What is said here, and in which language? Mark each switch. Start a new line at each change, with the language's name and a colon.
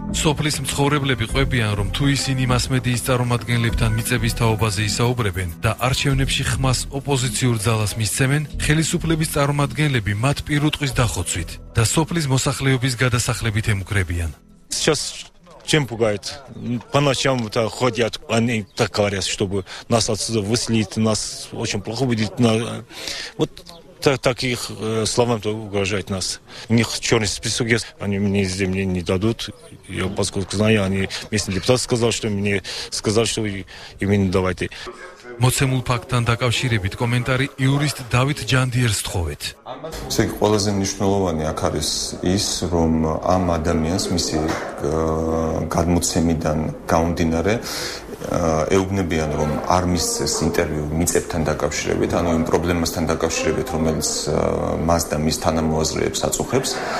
Georgian: სოფლის მცხოვრებლები ყვებიან, რომ თუ ისინი მას მედიის წარმომადგენლებთან მიწების თაობაზე ისაუბრებენ და არჩევნებში ხმას ოპოზიციურ ძალას მისცემენ, ხელისუფლების წარმომადგენლები მათ პირუტყვის დახოცვით და სოფლის მოსახლეობის გადასახლებით ემუქრებიან.
Russian: Чем пугают? По ночам ходят, они так говорят, чтобы нас отсюда выселить, нас очень плохо будет. Вот так их словам угрожают нас. У них черный список есть, они мне земли не дадут. Я поскольку знаю, они местный депутат сказал, что мне сказал, что им не давайте.
Georgian: მოცემულ ფაქტთან დაკავშირებით კომენტარი იურისტ დავით ჯანდიერს თხოვეთ. ესე იგი, ყველაზე მნიშვნელოვანი აქ არის ის, რომ ამ ადამიანს მისი გადმოცემიდან გამომდინარე ეუბნებიან, რომ არ მისცეს ინტერვიუ მიწებთან დაკავშირებით, ანუ იმ პრობლემასთან დაკავშირებით, რომელიც მას და მის თანამოაზრეებს აწუხებს.